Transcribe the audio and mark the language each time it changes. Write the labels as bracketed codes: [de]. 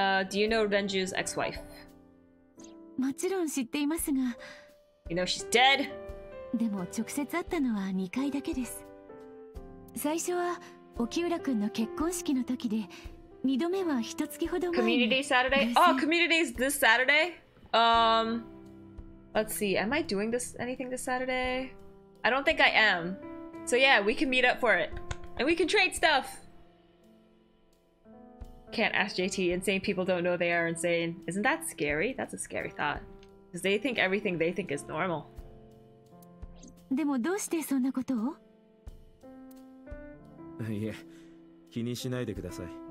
[en] Do you know Renju's ex-wife? [ja] もちろん知っていますが。 [en] You know she's dead? [ja] でも直接会ったのは2回だけです。最初は沖浦君の結婚式の時で、2度目は1月ほど前に。 [en] Community Saturday? Oh, community is this Saturday? Let's see, am I doing this, anything this Saturday? I don't think I am. So yeah, we can meet up for it. And we can trade stuff! Can't ask JT. Insane people don't know they are insane. Isn't that scary? That's a scary thought. Because they think everything they think is normal. [ja] でもどうしてそんなことを? いや、気にしないでください。